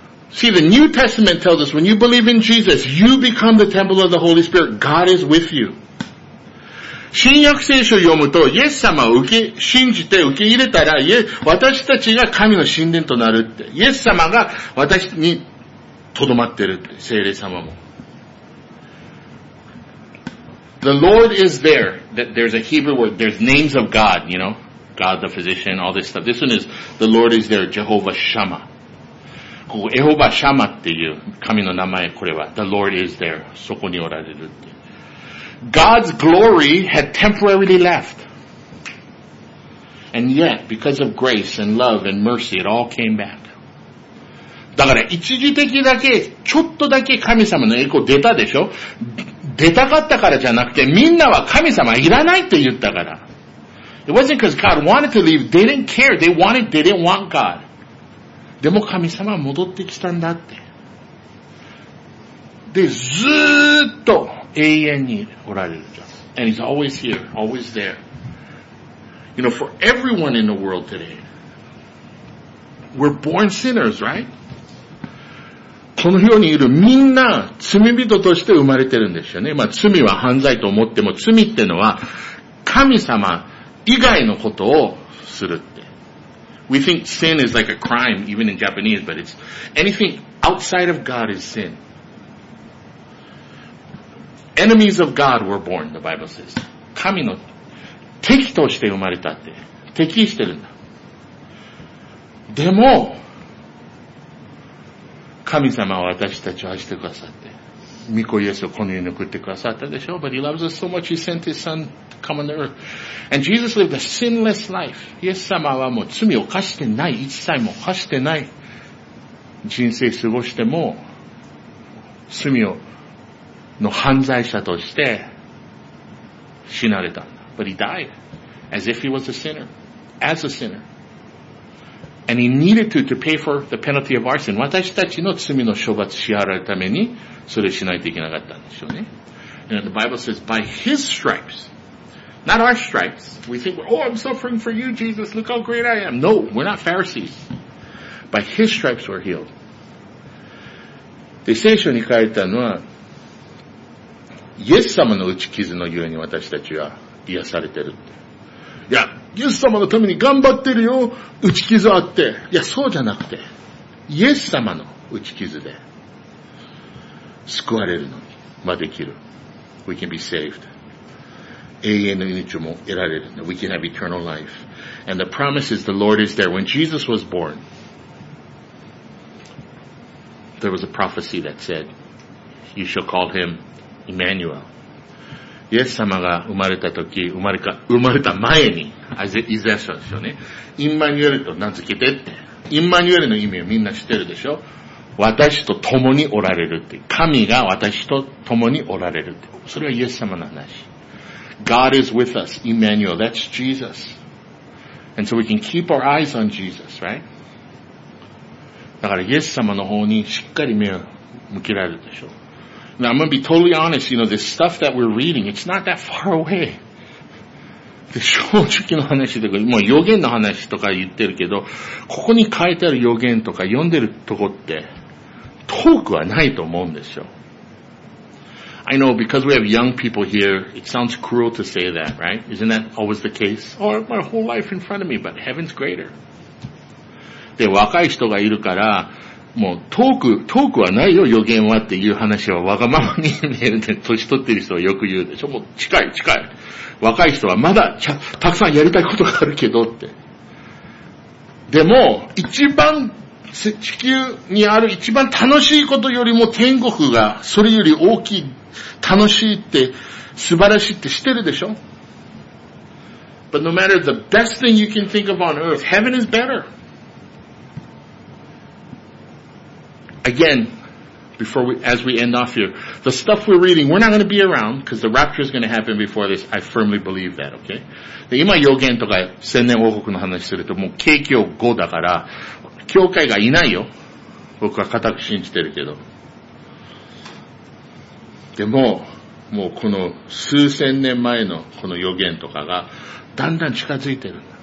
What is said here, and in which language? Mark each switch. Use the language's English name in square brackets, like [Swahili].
[English] See, the New Testament tells us when you believe in Jesus, you become the temple of the Holy Spirit. God is with you. [Japanese] 新約聖書を読むと、イエス様を信じて受け入れたら、私たちが神の神殿となるって。イエス様が私に留まってるって、聖霊様も。 [English] The Lord is there. There's a Hebrew word. There's names of God, you know. God the physician, all this stuff. This one is, the Lord is there, Jehovah Shammah. [Japanese] ここ、エホバシャマっていう神の名前、これは。 [English] The Lord is there. [Japanese] そこにおられるって。 [English] God's glory had temporarily left. And yet, because of grace and love and mercy, it all came back. [Japanese] だから一時的だけ、ちょっとだけ神様の栄光出たでしょ? 出たかったからじゃなくて、みんなは神様いらないって言ったから。 [English] It wasn't because God wanted to leave. They didn't care. They didn't want God. [Japanese] でも神様は戻ってきたんだって。で、ずーっと、永遠におられるじゃん。 [English] And he's always here, always there. You know, for everyone in the world today, we're born sinners, right? [Japanese] この世にいるみんな罪人として生まれてるんですよね。まあ罪は犯罪と思っても、罪ってのは神様以外のことをするって。 [English] We think sin is like a crime, even in Japanese, but it's anything outside of God is sin. Enemies of God were born, the Bible says. [Japanese] 神の敵として生まれたって。敵してるんだ。でも、神様は私たちを愛してくださって。御子イエスをこの世に送ってくださったでしょ ? [English] But he loves us so much he sent his son to come on the earth. And Jesus lived a sinless life. [Japanese] イエス様はもう罪を犯してない。一切も犯してない。人生過ごしても、罪をの犯罪者として死なれた。 [English] But he died as if he was a sinner. As a sinner. And he needed to pay for the penalty of our sin. [Japanese] 私たちの罪の処罰し払うためにそれしないといけなかったんでしょうね。 [English] And the Bible says, by his stripes, Not our stripes. We think, oh, I'm suffering for you, Jesus. Look how great I am. No, we're not Pharisees. By his stripes we're healed. [Japanese] で、聖書に書いたのは、イエス様の打ち傷のゆえに私たちは癒されてるって。いや、イエス様のために頑張ってるよ、打ち傷あって。いや、そうじゃなくて、イエス様の打ち傷で救われるのに、まあ、できる。 [English] We can be saved. [Japanese] 永遠の命も得られる。 [English] We can have eternal life. And the promise is the Lord is there. When Jesus was born,There was a prophecy that said, you shall call him Emmanuel. [Japanese] イエス様が生まれた時、生まれた前に、イザヤ書でしょうね。インマニュエルと名付けてって。インマニュエルの意味をみんな知ってるでしょ。私と共におられるって。神が私と共におられるって。それはイエス様の話。 [English] God is with us, Emmanuel. That's Jesus. And so we can keep our eyes on Jesus, right? [Japanese] だからイエス様の方にしっかり目を向けられるでしょう。 [English] Now I'm going to be totally honest, you know, this stuff that we're reading, it's not that far away. [Japanese] で、正直の話とか、もう予言の話とか言ってるけど、ここに書いてある予言とか読んでるとこって、遠くはないと思うんですよ。 [English] I know, because we have young people here, it sounds cruel to say that, right? Isn't that always the case? Or my whole life in front of me, but heaven's greater. [Japanese] で、若い人がいるから、もう遠くはないよ、予言はっていう話はわがままに見えるね。年取ってる人はよく言うでしょ。もう近い。若い人はまだたくさんやりたいことがあるけどって。でも、一番地球にある一番楽しいことよりも天国がそれより大きい、楽しいって、素晴らしいって知ってるでしょ。 [English] But no matter the best thing you can think of on earth, heaven is better. Again, before as we end off here, the stuff we're reading, we're not going to be around because the rapture is going to happen before this. I firmly believe that, okay? [Japanese] で、今予言とか千年王国の話するともう景況後だから、教会がいないよ。僕は固く信じてるけど。でも、もうこの数千年前のこの予言とかがだんだん近づいてる。